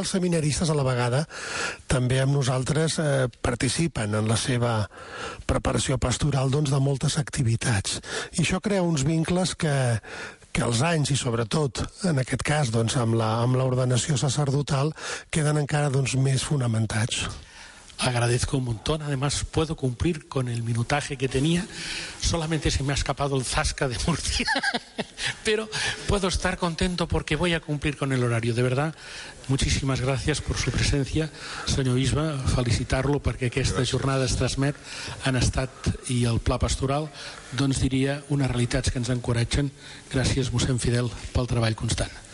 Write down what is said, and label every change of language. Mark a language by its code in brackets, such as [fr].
[ca] Els seminaristes, a la vegada, també amb nosaltres participen en la seva preparació pastoral, doncs, de moltes activitats. I això crea uns vincles que els anys, i sobretot en aquest cas doncs, amb l'ordenació sacerdotal, queden encara doncs, més fonamentats. [es] Agradezco un montón. Además, puedo cumplir con el minutaje que tenía. Solamente se me ha escapado el zasca de Murcia. Pero puedo estar contento porque voy a cumplir con el horario. De verdad, muchísimas gracias por su presencia, [ca] senyor bisbe. Felicitar-lo perquè aquesta jornada es transmet en estat i el pla pastoral. Doncs diria unes realitats que ens encoratgen. Gràcies, mossèn Fidel, pel treball constant.